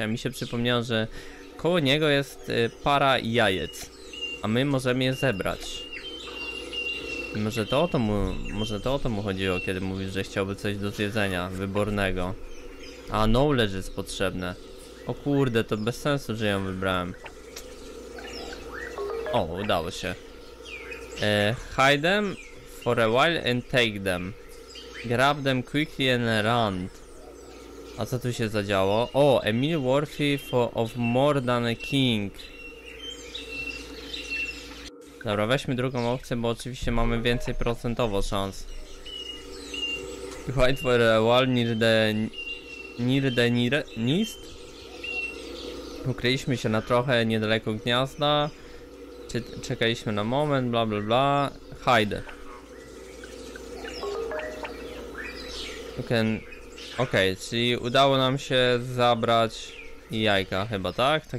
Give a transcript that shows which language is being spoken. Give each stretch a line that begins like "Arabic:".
Polish: A mi się przypomniało, że koło niego jest para jajec, a my możemy je zebrać. Może to o to mu chodziło, kiedy mówisz, że chciałby coś do zjedzenia wybornego. A knowledge jest potrzebne. O kurde, to bez sensu, że ją wybrałem. O, udało się.
English: Hide them for a while and take them. Grab them quickly and run.
Polish: A co tu się zadziało? O,
English: a meal worthy of more than a king.
Polish: Dobra, weźmy drugą opcję, bo oczywiście mamy więcej procentowo szans.
English: Wait for a while near the nest.
Polish: Ukryliśmy się na trochę niedaleko gniazda. Czekaliśmy na moment, bla bla bla.
English: Hide.
Polish: Okej, czyli udało nam się zabrać jajka, chyba tak?